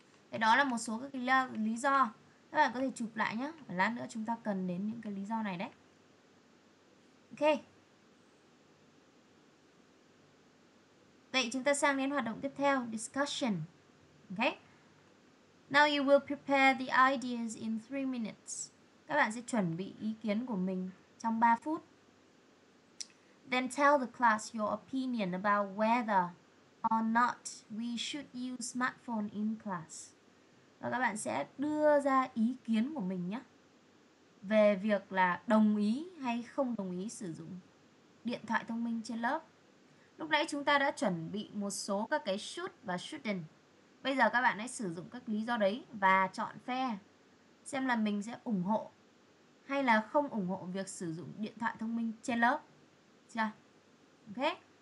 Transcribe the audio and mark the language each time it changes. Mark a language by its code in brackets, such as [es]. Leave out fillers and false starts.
[vi] Thế đó là một số các cái lý do. Các bạn có thể chụp lại nhé. Lát nữa chúng ta cần đến những cái lý do này đấy. Ok. Vậy chúng ta sang đến hoạt động tiếp theo. [en] Discussion. Ok. Now you will prepare the ideas in 3 minutes. [vi] Các bạn sẽ chuẩn bị ý kiến của mình trong 3 phút. [en] Then tell the class your opinion about whether or not we should use smartphone in class. [vi] Và các bạn sẽ đưa ra ý kiến của mình nhé. Về việc là đồng ý hay không đồng ý sử dụng điện thoại thông minh trên lớp. Lúc nãy chúng ta đã chuẩn bị một số các cái should và shouldn't. Bây giờ các bạn hãy sử dụng các lý do đấy và chọn phe. Xem là mình sẽ ủng hộ hay là không ủng hộ việc sử dụng điện thoại thông minh trên lớp. Chưa? Ok.